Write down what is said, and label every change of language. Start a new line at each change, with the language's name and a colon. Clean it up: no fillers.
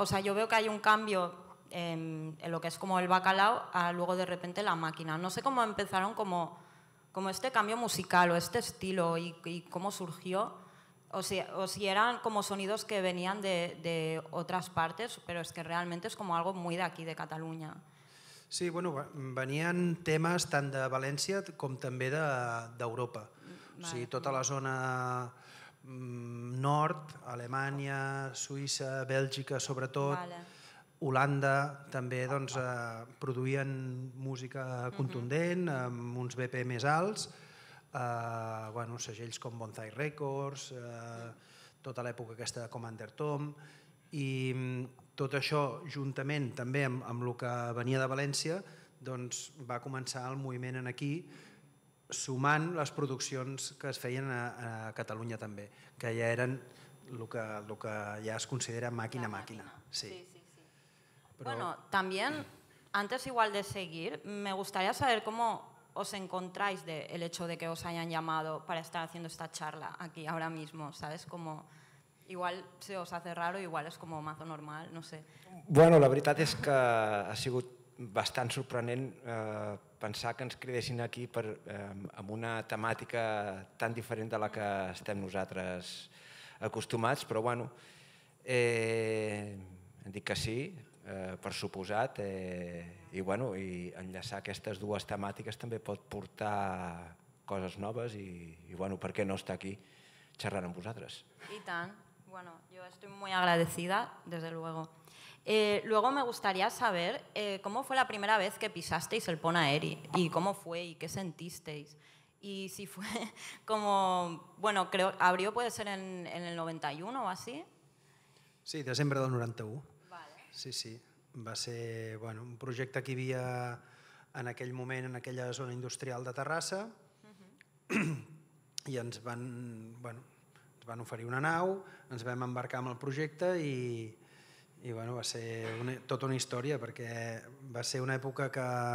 Spanish: O sea, yo veo que hay un cambio en lo que es como el bacalao a luego de repente la máquina. No sé cómo empezaron como este cambio musical o este estilo y cómo surgió. O si eran como sonidos que venían de otras partes, pero es que realmente es como algo muy de aquí, de Cataluña.
Catalan: Sí, bueno,
Spanish: venían temas
Catalan: tant de València com també d'Europa. Vale. O sigui, tota la zona nord, Alemanya, Suïssa, Bèlgica sobretot, vale. Holanda també, doncs, produïen música contundent, uh-huh, amb uns BP més alts. Bueno, segells com Bonsai Records, tota l'època aquesta de Commander Tom, i tot això juntament també amb el que venia de València, doncs va començar el moviment en aquí, sumant les produccions que es feien a Catalunya també, que ja eren el que ja es considera màquina. Sí. Però...
Spanish: Bueno, també, antes igual de seguir, me gustaría saber cómo os encontráis del hecho de que os hayan llamado para estar haciendo esta charla aquí ahora mismo, ¿sabes? Como igual se os hace raro, igual es como mazo normal, no sé.
Catalan: Bueno, la veritat és que ha sigut bastant sorprenent pensar que ens cridessin aquí per, amb una temàtica tan diferent de la que estem nosaltres acostumats, però bueno, hem dit que sí, per suposat, i bueno, i enllaçar aquestes dues temàtiques també pot portar coses noves i bueno, per què no estar aquí xerrant amb vosaltres. I tant.
Spanish: Bueno, yo estoy muy agradecida, desde luego. Luego me gustaría saber cómo fue la primera vez que pisasteis el Pont Aeri y cómo fue y qué sentisteis. Y si fue como, bueno, creo, abrió puede ser en el 91 o así.
Catalan: Sí, desembre del 91. Vale. Sí, sí. Va ser, bueno, un projecte que hi havia en aquell moment en aquella zona industrial de Terrassa, uh-huh, i ens van, bueno, ens van oferir una nau, ens vam embarcar amb el projecte i bueno, va ser tota una història perquè va ser una època que